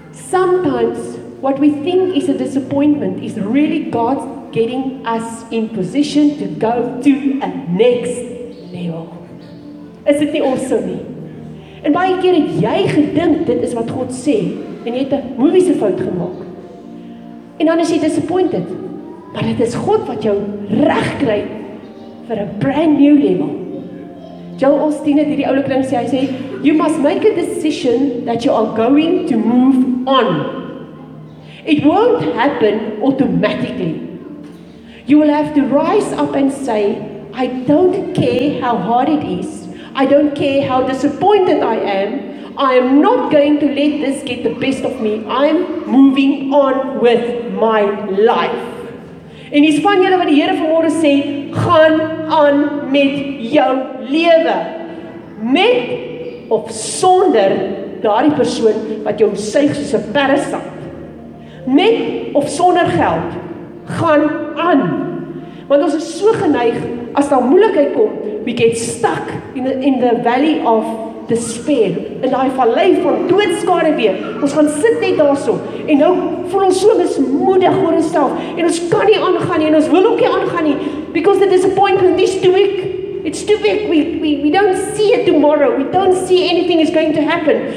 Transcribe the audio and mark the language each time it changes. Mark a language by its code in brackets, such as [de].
[en] Sometimes what we think is a disappointment is really God getting us in position to go to a next level. [af] Is dit nie awesome nie? En baie keer het jy gedink dit is wat God sê en jy het 'n movie se fout gemaak. En dan is jy disappointed. Maar dit is God wat jou regkry [en] for a brand new level. [af] Joel Osteen het hierdie oulike ding sê, hy sê, [en] you must make a decision that you are going to move on. It won't happen automatically. You will have to rise up and say, I don't care how hard it is. I don't care how disappointed I am. I am not going to let this get the best of me. I'm moving on with my life. [af] En dis van julle wat die Here vanmôre sê, gaan aan met jou lewe. Met of sonder daardie persoon wat jou suig soos 'n parasiet. Met of sonder geld, gaan aan. Want ons is so geneig as daar moeilikheid kom, [en] we get stuck in the valley of despair, [af] in daai vallei van doodskare weer. Ons gaan sit net daarso en nou voel ons so mismoedig oor onsself en ons kan nie aangaan nie en ons wil ook nie aangaan nie [en] because the disappointment is too weak. It's too weak. We don't see it tomorrow. We don't see anything is going to happen.